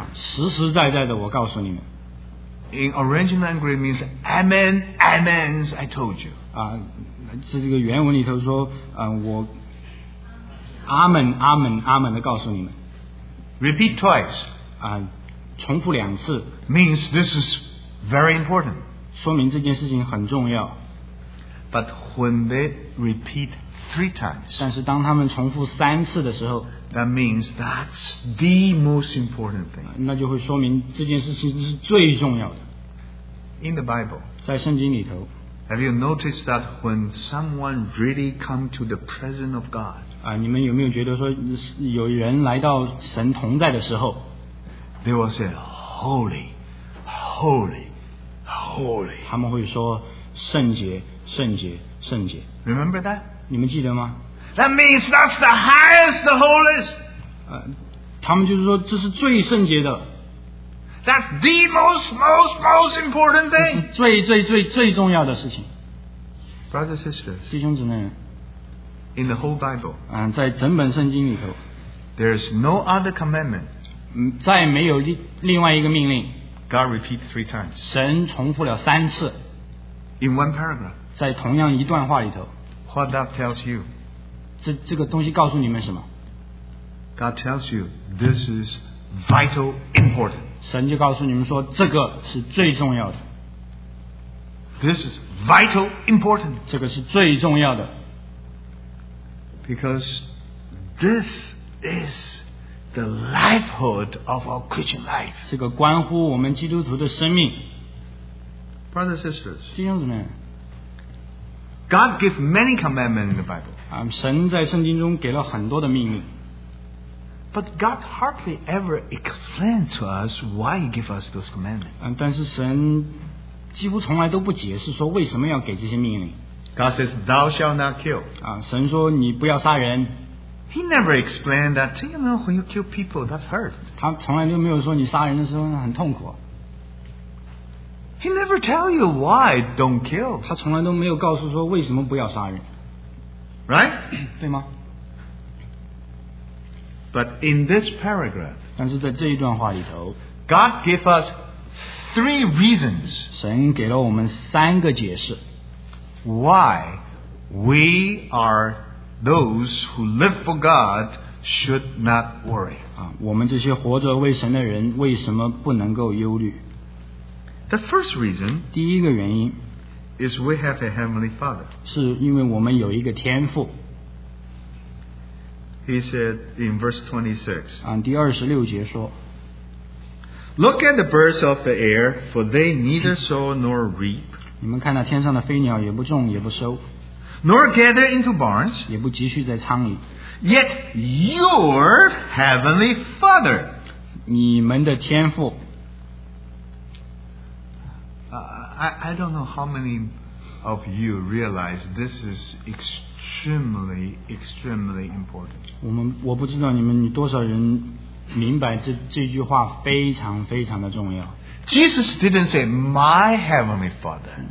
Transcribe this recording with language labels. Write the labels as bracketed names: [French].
[Chinese] 实实在在的，我告诉你们。 [English] In original language means Amen, Amen, I told you. [Chinese] 是这个原文里头说，我阿门阿门阿门的告诉你们。 [English] Repeat twice. [Chinese] 重复两次。 [English] Means this is very important. [Chinese] 说明这件事情很重要。 [English] But when they repeat three times. [Chinese] 但是当他们重复三次的时候。 [English] That means that's the most important thing. [Chinese] 那就会说明这件事情是最重要的。 [English] In the Bible, [Chinese] 在圣经里头 [English] ，Have you noticed that when someone really come to the presence of God? [Chinese] 你们有没有觉得说有人来到神同在的时候 [English] ，They will say, "Holy, holy, holy." [Chinese] 他们会说圣洁，圣洁，圣洁。 [English] Remember that? [Chinese] 你们记得吗？ [English] That means that's the highest, the holiest. [Chinese] 他们就是说这是最圣洁的。 [English] That's the most, most, most important thing. [Chinese] 最最最最重要的事情。 [English] Brothers and sisters, [Chinese] 弟兄姊妹。 [English] In the whole Bible, [Chinese] 在整本圣经里头 [English] ，there is no other commandment. [Chinese] 再没有另外一个命令。 [English] God repeats three times. [Chinese] 神重复了三次。 [English] In one paragraph. [Chinese] 在同样一段话里头。 [English] What that tells you. [Chinese] 这个东西告诉你们什么 [English] ？God tells you this is vital important. [Chinese] 神就告诉你们说这个是最重要的。 [English] This is vital important. [Chinese] 这个是最重要的。 [English] Because this is the livelihood of our Christian life. [Chinese] 这个关乎我们基督徒的生命。 [English] Brothers and sisters, [Chinese] 弟兄姊妹 [English] God gave many commandments in the Bible. [Chinese] 神在圣经中给了很多的命令。 [English] But God hardly ever explains to us why He gave us those commandments. [Chinese] 但是神几乎从来都不解释说为什么要给这些命令。 [English] God says, "Thou shalt not kill." [Chinese] 神说你不要杀人。 [English] He never explained that. You know, when you kill people, that hurts. [Chinese] 他从来就没有说你杀人的时候很痛苦。 [English] He never tell you why don't kill. [Chinese] 他从来都没有告诉说为什么不要杀人。 [English] Right? [Chinese] 对吗？ [English] But in this paragraph, [Chinese] 但是在这一段话里头 [English] God gave us three reasons. [Chinese] 神给了我们三个解释 [English] why we are those who live for God should not worry. [Chinese] 我们这些活着为神的人为什么不能够忧虑？ [English] The first reason, [Chinese] 第一个原因 [English] is we have a heavenly Father. [Chinese] 是因为我们有一个天父。 [English] He said in verse 26. [Chinese] 第二十六节说 [English] Look at the birds of the air, for they neither sow nor reap. [Chinese] 你们看那天上的飞鸟也不种也不收 [English] Nor gather into barns. [Chinese] 也不积蓄在仓里 [English] Yet your heavenly Father. [Chinese] 你们的天父 [English] I don't know how many of you realize this is extremely important. [Chinese] 我不知道你们多少人明白这句话非常非常的重要。 [English] Jesus didn't say my heavenly Father.